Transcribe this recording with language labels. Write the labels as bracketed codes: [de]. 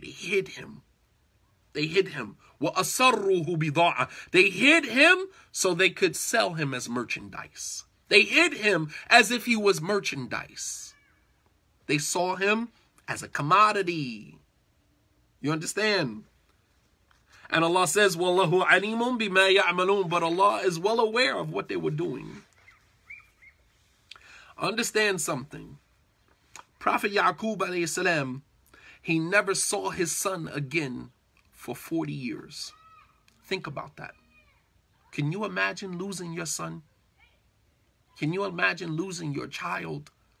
[en] They hid him. They hid him. [ar] وَأَسَرُّهُ بِضَاعَةٍ. [en] They hid him so they could sell him as merchandise. They hid him as if he was merchandise. They saw him as a commodity. You understand? And Allah says, [ar] وَاللَّهُ عَلِيمٌ بِمَا يَعْمَلُونَ. [en] But Allah is well aware of what they were doing. Understand something. Prophet Ya'qub alayhi salam, he never saw his son again for 40 years. Think about that. Can you imagine losing your son? Can you imagine losing your child?